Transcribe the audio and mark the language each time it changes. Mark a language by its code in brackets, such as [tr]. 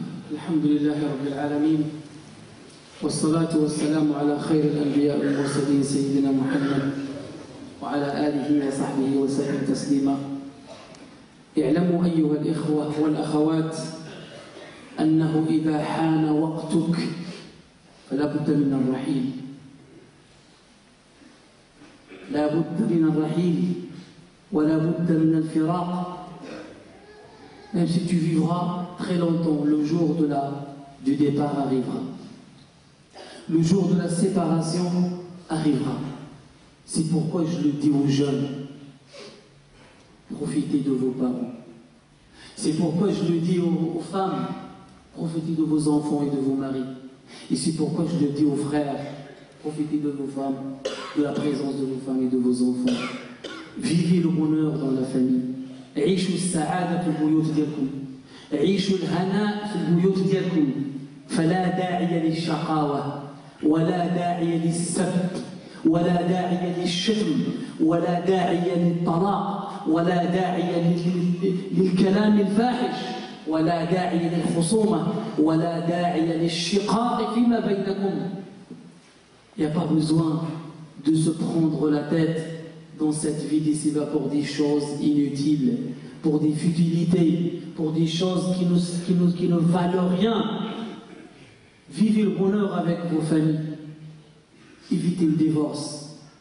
[ar] Alhamdulillah rabbil alamin was salatu was salam ala khair al anbiya wal mursalin sayyidina Muhammad وعلى آله وصحبه وسلم تسليما. اعلموا أيها الإخوة والأخوات أنه إذا حان وقتك فلا بد من الرحيل. لا بد من الرحيل ولا بد من الفراق. [fr] Même si tu vivras très longtemps, le jour de la du départ arrivera. Le jour de la séparation arrivera. C'est pourquoi je le dis aux jeunes, profitez de vos parents. C'est pourquoi je le dis aux femmes, profitez de vos enfants et de vos maris. Et c'est pourquoi je le dis aux frères, profitez de vos femmes, de la présence de vos femmes et de vos enfants. Vivez le bonheur dans la famille. [ar] عيشوا السعادة في البيوت ديالكم. عيشوا الهناء في البيوت ديالكم. فلا داعي للشقاوة ولا داعي للسب. ولا داعي للشتم ولا داعي للطلاق ولا داعي للكلام الفاحش ولا داعي للخصومة ولا داعي للشقاق فيما بينكم. [fr] Il y a pas besoin de se prendre la tête dans cette vie d'ici-bas pour des choses inutiles, pour des futilités, pour des choses qui ne valent rien. Vivez le bonheur avec vos familles. Évitez le divorce.